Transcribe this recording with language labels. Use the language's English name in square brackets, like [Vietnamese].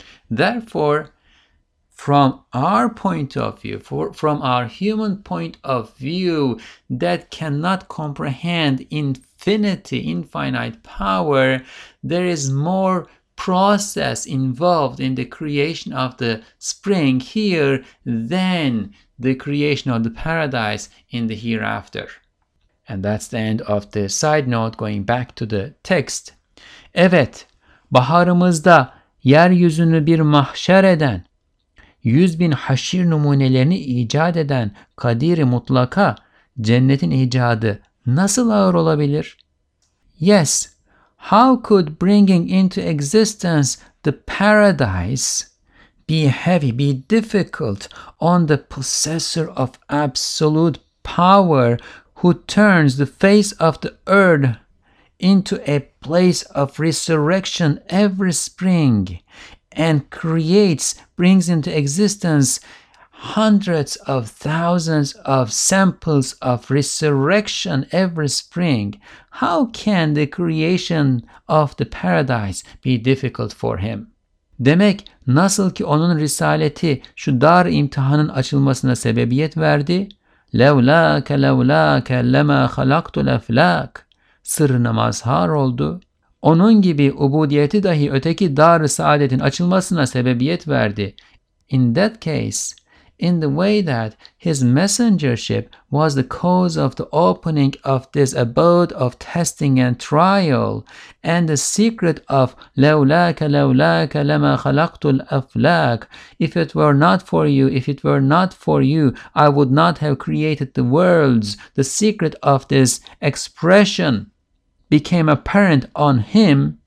[English] Therefore, from our point of view, from our human point of view, that cannot comprehend infinity, infinite power, there is more process involved in the creation of the spring here than the creation of the paradise in the hereafter. And that's the end of the side note, going back to the text. [Turkish] Evet, baharımızda yeryüzünü bir mahşer eden, yüz bin haşir numunelerini icat eden Kadir-i Mutlaka cennetin icadı nasıl ağır olabilir? [English] Yes, how could bringing into existence the paradise be heavy, be difficult on the possessor of absolute power who turns the face of the earth into a place of resurrection every spring and creates, brings into existence hundreds of thousands of samples of resurrection every spring. How can the creation of the paradise be difficult for him? [Turkish] Demek nasıl ki onun risaleti şu dar imtihanın açılmasına sebebiyet verdi? [Arabic] Levlâke levlâke lemâ halaktu leflâk. [Turkish] Sırrına mazhar oldu. Onun gibi ubudiyeti dahi öteki dar saadetin açılmasına sebebiyet verdi. [English] In that case, in the way that his messengership was the cause of the opening of this abode of testing and trial, and the secret of [Arabic] لَوْلَاكَ لَوْلَاكَ لَمَا خَلَقْتُ الْأَفْلَاكَ, [English] if it were not for you, if it were not for you, I would not have created the worlds, the secret of this expression became apparent on him.